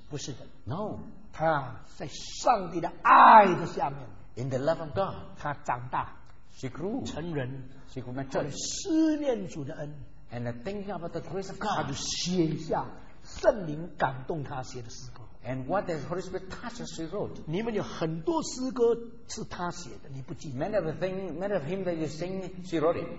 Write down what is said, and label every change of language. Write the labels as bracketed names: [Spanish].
[Chinese] 不是的 [English] no, [Chinese] 她在上帝的爱的下面 [English] in the love of God, [Chinese] 她长大 [English] she grew, [Chinese] 成人 [English] She grew mature. [Chinese] 她思念主的恩 [English] and thinking about the grace of God, [Chinese] 她就写下圣灵感动她写的诗歌 [English] and what the Holy Spirit touched, she wrote. [Chinese] 你们有很多诗歌是她写的，你不记得 [English] many of the things, many of him that you sing, she wrote it.